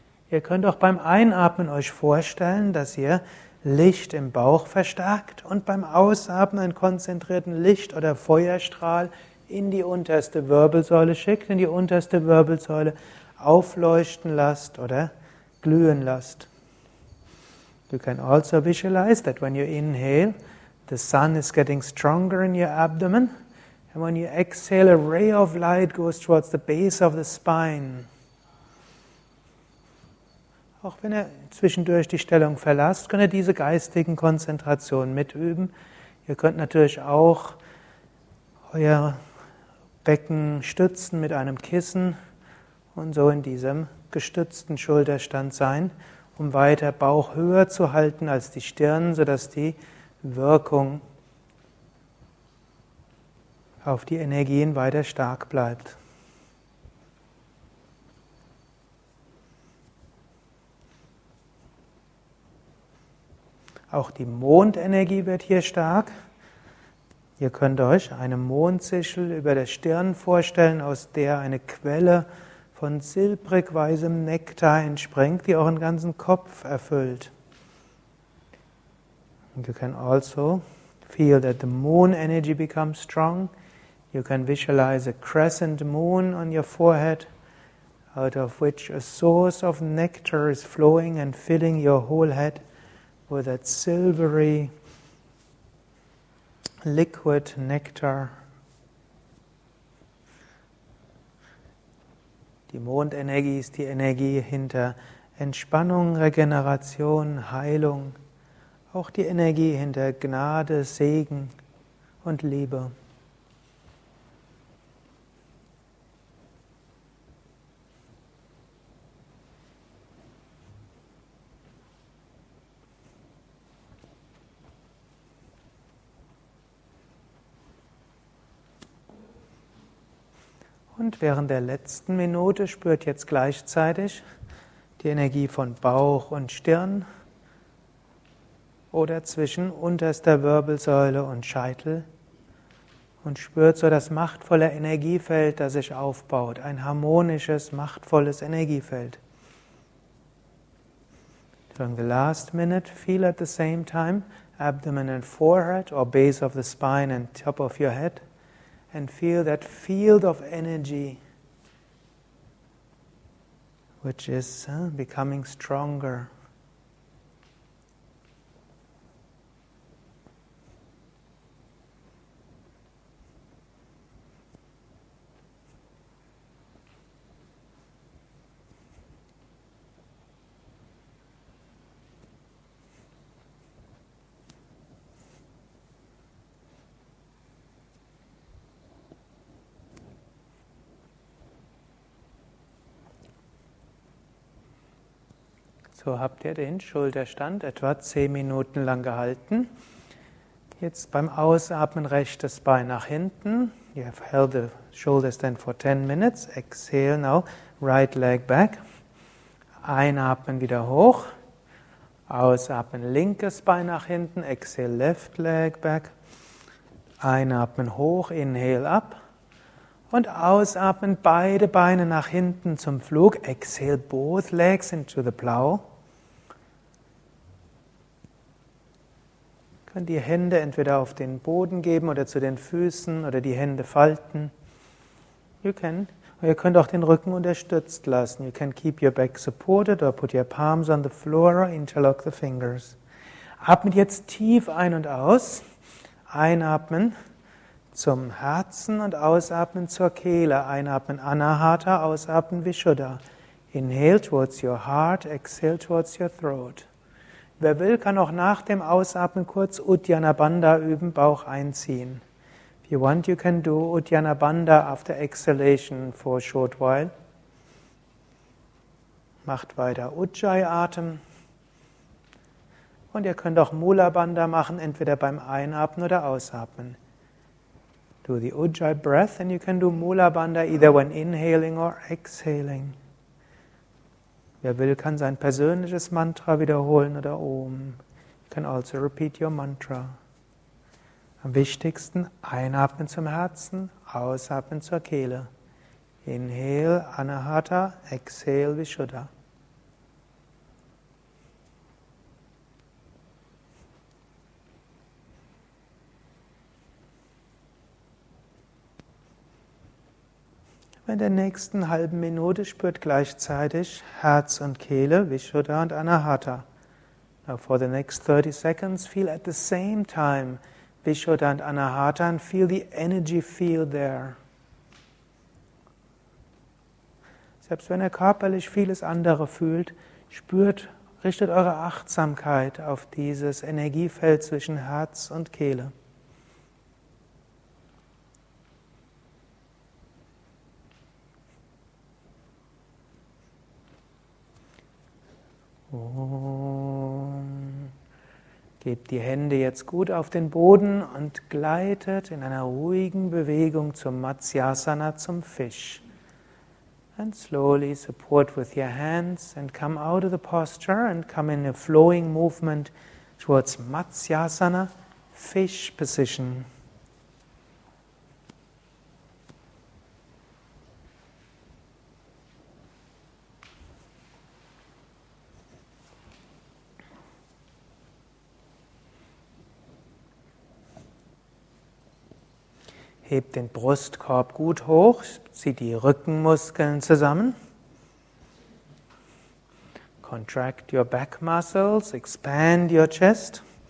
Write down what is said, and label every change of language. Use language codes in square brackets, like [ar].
[de] Ihr könnt auch beim Einatmen euch vorstellen, dass ihr Licht im Bauch verstärkt und beim Ausatmen einen konzentrierten Licht- oder Feuerstrahl in die unterste Wirbelsäule schickt, in die unterste Wirbelsäule aufleuchten lasst oder glühen lasst. [en] You can also visualize that when you inhale, the sun is getting stronger in your abdomen, and when you exhale, a ray of light goes towards the base of the spine. [de] Auch wenn ihr zwischendurch die Stellung verlasst, könnt ihr diese geistigen Konzentrationen mitüben. Ihr könnt natürlich auch euer Becken stützen mit einem Kissen und so in diesem gestützten Schulterstand sein, um weiter Bauch höher zu halten als die Stirn, sodass die Wirkung auf die Energien weiter stark bleibt. Auch die Mondenergie wird hier stark. Ihr könnt euch eine Mondsichel über der Stirn vorstellen, aus der eine Quelle von silbrig-weißem Nektar entspringt, die auch den ganzen Kopf erfüllt. [en] And you can also feel that the moon energy becomes strong. You can visualize a crescent moon on your forehead, out of which a source of nectar is flowing and filling your whole head with that silvery liquid nectar. [de] Die Mondenergie ist die Energie hinter Entspannung, Regeneration, Heilung, auch die Energie hinter Gnade, Segen und Liebe. Und während der letzten Minute spürt jetzt gleichzeitig die Energie von Bauch und Stirn oder zwischen unterster Wirbelsäule und Scheitel und spürt so das machtvolle Energiefeld, das sich aufbaut, ein harmonisches, machtvolles Energiefeld. [en] During the last minute, feel at the same time abdomen and forehead or base of the spine and top of your head. And feel that field of energy, which is becoming stronger. [de] So habt ihr den Schulterstand etwa 10 Minuten lang gehalten. Jetzt beim Ausatmen rechtes Bein nach hinten. [en] You have held the shoulder stand for 10 minutes. Exhale now, right leg back. [de] Einatmen wieder hoch. Ausatmen linkes Bein nach hinten. [en] Exhale, left leg back. [de] Einatmen hoch, [en] inhale up. [de] Und ausatmen beide Beine nach hinten zum Flug. [en] Exhale, both legs into the plow. [de] Könnt die Hände entweder auf den Boden geben oder zu den Füßen oder die Hände falten. [en] You can. [de] Ihr könnt auch den Rücken unterstützt lassen. [en] You can keep your back supported or put your palms on the floor or interlock the fingers. [de] Atmet jetzt tief ein und aus. Einatmen zum Herzen und ausatmen zur Kehle. Einatmen Anahata, ausatmen Vishuddha. [en] Inhale towards your heart, exhale towards your throat. [de] Wer will, kann auch nach dem Ausatmen kurz Uddiyana Bandha üben, Bauch einziehen. [en] If you want, you can do Uddiyana Bandha after exhalation for a short while. [de] Macht weiter Ujjayi-Atem. Und ihr könnt auch Mula Bandha machen, entweder beim Einatmen oder Ausatmen. [en] Do the Ujjayi breath and you can do Mula Bandha either when inhaling or exhaling. [de] Wer will, kann sein persönliches Mantra wiederholen oder Om. [en] You can also repeat your mantra. [de] Am wichtigsten, einatmen zum Herzen, ausatmen zur Kehle. [en] Inhale, Anahata, exhale, Vishuddha. [de] In der nächsten halben Minute spürt gleichzeitig Herz und Kehle, Vishuddha und Anahata. [en] Now for the next 30 seconds, feel at the same time Vishuddha and Anahata and feel the energy field there. [de] Selbst wenn ihr körperlich vieles andere fühlt, spürt, richtet eure Achtsamkeit auf dieses Energiefeld zwischen Herz und Kehle. Om. Gebt die Hände jetzt gut auf den Boden und gleitet in einer ruhigen Bewegung zum Matsyasana, zum Fisch. [en] And slowly support with your hands and come out of the posture and come in a flowing movement towards Matsyasana, fish position. [de] Hebt den Brustkorb gut hoch, zieht die Rückenmuskeln zusammen. [en] Contract your back muscles, expand your chest.